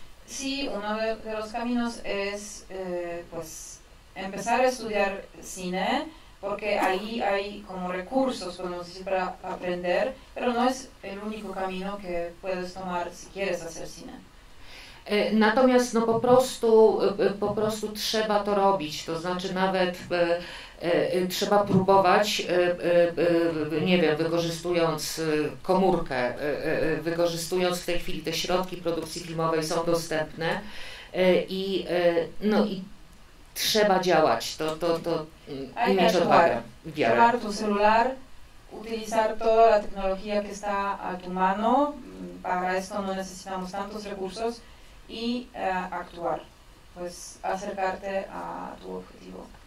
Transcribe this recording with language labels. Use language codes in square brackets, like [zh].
[es] Sí, uno de los caminos es pues empezar a estudiar cine. Porque ahí hay como recursos, podemos decir, para aprender, pero no es el único camino que puedes tomar si quieres hacer cine. [pl] Natomiast no po prostu trzeba to robić, to znaczy nawet trzeba próbować, nie wiem, wykorzystując komórkę, wykorzystując w tej chwili te środki produkcji filmowej są dostępne i no i trzeba działać, to i mieć odwagę, wiarę. Trzymać tu [es] celular, utilizar toda la tecnología que está a tu mano, para esto no necesitamos tantos recursos, i actuar, pues acercarte a tu objetivo.